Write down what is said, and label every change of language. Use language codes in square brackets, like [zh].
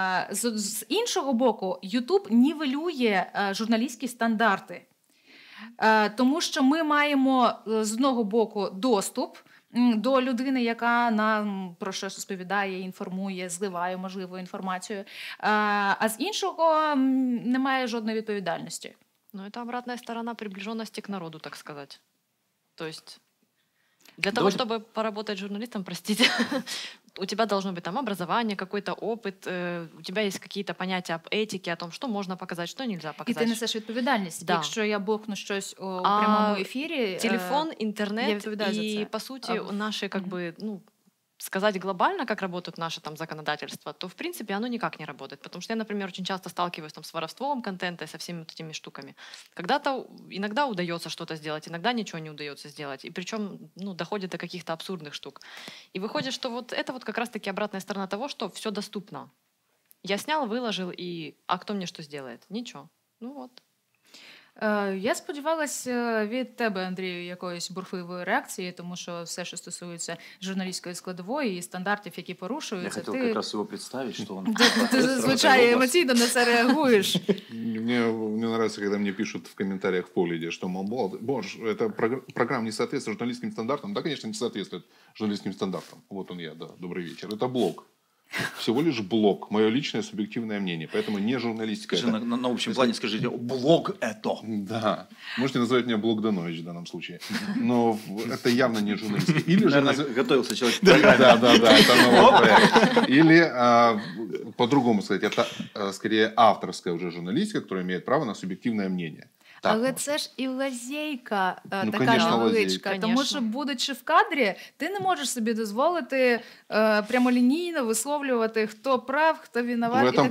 [uk] З іншого боку, Ютуб нівелює журналістські стандарти. Тому що ми маємо, з одного боку, доступ до людини, яка нам про щось розповідає, інформує, зливає, можливо, інформацію. А з іншого, немає жодної відповідальності. [ru] Ну, это обратная сторона приближенности к народу, так сказать. То есть для того, чтобы поработать журналистом, простите, у тебя должно быть там образование, какой-то опыт, у тебя есть какие-то понятия об этике, о том, что можно показать, что нельзя показать. И ты несешь ответственность, да. Если я блохну что-то в прямом эфире. Телефон, интернет, и по сути наши как бы, ну, сказать глобально, как работают наши там законодательства, то, в принципе, оно никак не работает. Потому что я, например, очень часто сталкиваюсь там с воровством контента и со всеми вот этими штуками. Когда-то иногда удается что-то сделать, иногда ничего не удается сделать. И причем, ну, доходит до каких-то абсурдных штук. И выходит, что вот это вот как раз-таки обратная сторона того, что все доступно. Я снял, выложил, и а кто мне что сделает? Ничего. Ну вот. [uk] Я сподівалася від тебе, Андрію, якоїсь бурхливої реакції, тому що все, що стосується журналістської складової і стандартів, які порушуються, ти... Я хотів якраз його представити, що він... Ти зазвичай емоційно на це реагуєш. Мені подобається, коли мені пишуть в коментарях в погляді, що, мол, боже, ця програма не відповідає журналістським стандартам. Так, звісно, не відповідає журналістським стандартам. От він я, да, добрий вечір. Це блог. Всего лишь блог. [ru] Мое личное субъективное мнение. Поэтому не журналистика. Скажи, на общем плане скажите, блог это. Да. Можете назвать меня блог Данович в данном случае. Но это явно не журналистика. Или же готовился человек. Да. Это новый проект. Или, по-другому сказать, это скорее авторская уже журналистика, которая имеет право на субъективное мнение. [uk] Так, але це ж і лазейка, ну, така невеличка. Тому що, будучи в кадрі, ти не можеш собі дозволити прямолінійно висловлювати, хто прав, хто виноват і так далі.